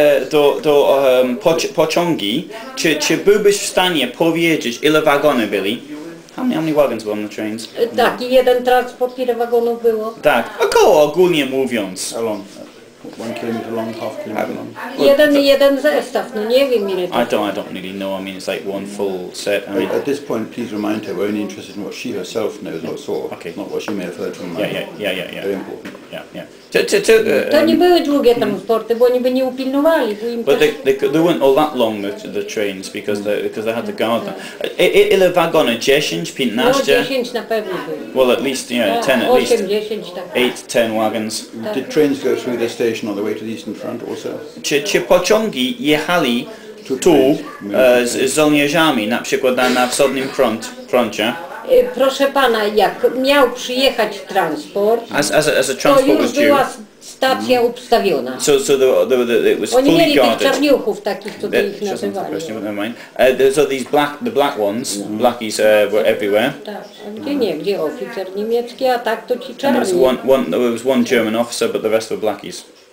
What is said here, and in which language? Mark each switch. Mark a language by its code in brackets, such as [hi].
[pl] do pociągi, czy byłbyś w stanie powiedzieć, ile wagony byli? [en] How many wagons were on the trains? [pl] Tak, i jeden transport, ile wagonów było? Tak, około ogólnie mówiąc. [en] How long? 1 kilometer long, half kilometer long? [pl] Jeden zestaw, no nie wiem ile to. [en] I don't really know, I mean it's like one full set. I mean, at this point, please remind her, we're only interested in what she herself knows or saw, okay. Not what she may have heard from. Yeah. Very important. Yeah. [pl] To nie były długie transporty, bo oni by nie upilnowali. [en] But they weren't all that long, the trains, because they had to guard them. [pl] Ile wagony? 10, 15? No, 10 na pewno były. [en] Well, at least, yeah, 10 at least. 8, 10 wagons. Did trains go through the station on the way to the Eastern Front also? [pl] Czy pociągi jechali tu z żołnierzami, na przykład na wschodnim froncie? Proszę pana, jak miał przyjechać transport, [en] as a transport [pl] to już była stacja ustawiona. [en] So it was fully guarded. [pl] Oni mieli tych czarniuchów takich, co ich nazywali. [en] So these blackies were everywhere. [pl] Tak, gdzie nie, gdzie oficer niemiecki, a tak to ci czarni. [en] There was one German officer, but the rest were blackies.